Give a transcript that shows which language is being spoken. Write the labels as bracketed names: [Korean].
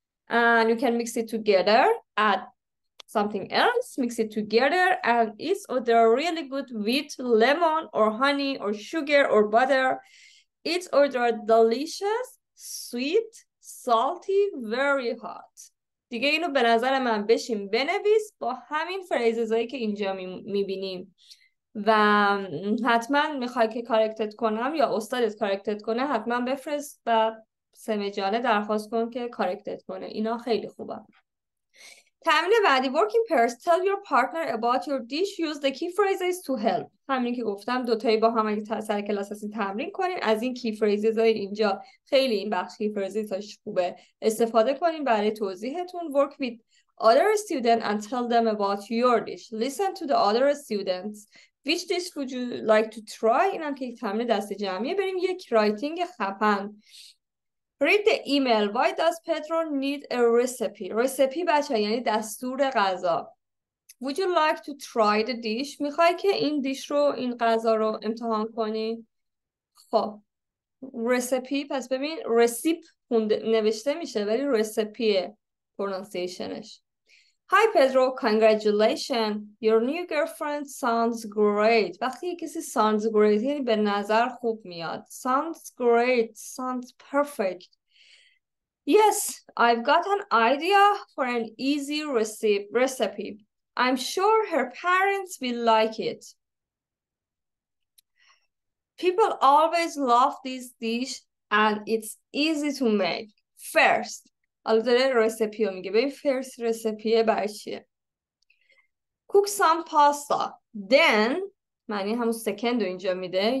[English] And you can mix it together, add something else, mix it together, and it's or they're really good with lemon or honey or sugar or butter. It's or they're delicious, sweet, salty, very hot. [Persian] دیگه اینو به نظر من بشین بنویس با همین فریزهایی که اینجا میبینیم. و حتما میخوای که کارکتت کنم یا استادت کارکتت کنه حتما بفرست و سمجانه درخواست کن که کارکتت کنه. اینا خیلی خوبه. تمرین بعدی [English] working pairs. Tell your partner about your dish. Use the key phrases to help. [Persian] همین که گفتم دوتایی با هم اگه سر کلاس هستین تمرین کنین. از این key phrases های اینجا خیلی این بخش key phrases هاش خوبه. استفاده کنین برای توضیحتون. [English] Work with other students and tell them about your dish. Listen to the other students. Which dish would you like to try? [Persian] اینم که یک تمرین دست جمعیه. بریم یک رایتینگ خفن. [English] Read the email. Why does Pedro need a recipe? Recipe [Persian] بچه یعنی دستور غذا. [English] Would you like to try the dish? [Persian] میخوای که این دیش رو این غذا رو امتحان کنی؟ خب. Recipe پس ببین recipe نوشته میشه ولی recipe pronunciationش. [English] Hi Pedro, congratulations. Your new girlfriend sounds great. [Persian] وقتی کسی [English] sounds great [Persian] یعنی به نظر خوب میاد. [English] Sounds great, sounds perfect. Yes, I've got an idea for an easy recipe. I'm sure her parents will like it. People always love this dish and it's easy to make. [Persian] First, الو داره رسپی رو میگه. ببین فرست رسپیه برای چیه. [English] Cook some pasta. [Persian] Then, معنی همون سکند رو اینجا میده.